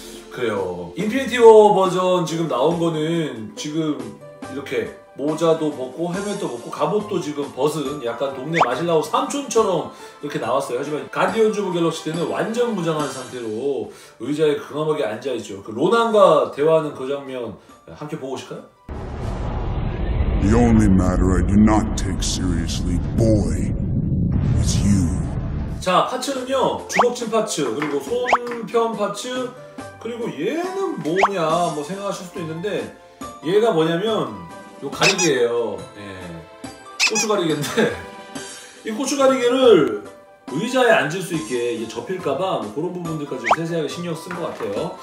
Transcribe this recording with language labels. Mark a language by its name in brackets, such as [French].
[Korean] 그래요, 인피니티 워 버전 지금 나온 거는 지금 이렇게 모자도 벗고 헤멧도 벗고 갑옷도 지금 벗은 약간 동네 마실라우 삼촌처럼 이렇게 나왔어요. 하지만 가디언즈 오브 갤럭시 때는 완전 무장한 상태로 의자에 근엄하게 앉아있죠. 그 로난과 대화하는 그 장면 함께 보고 오실까요? [English] The only matter I do not take seriously, boy, is you. [Korean] 자, 파츠는요, 주걱침 파츠, 그리고 손편 파츠, 그리고 얘는 뭐냐 뭐 생각하실 수도 있는데 얘가 뭐냐면 요 가리개예요. 예, 고추가리개인데 이 고추가리개를 의자에 앉을 수 있게 이게 접힐까봐 뭐 그런 부분들까지 세세하게 신경 쓴 것 같아요.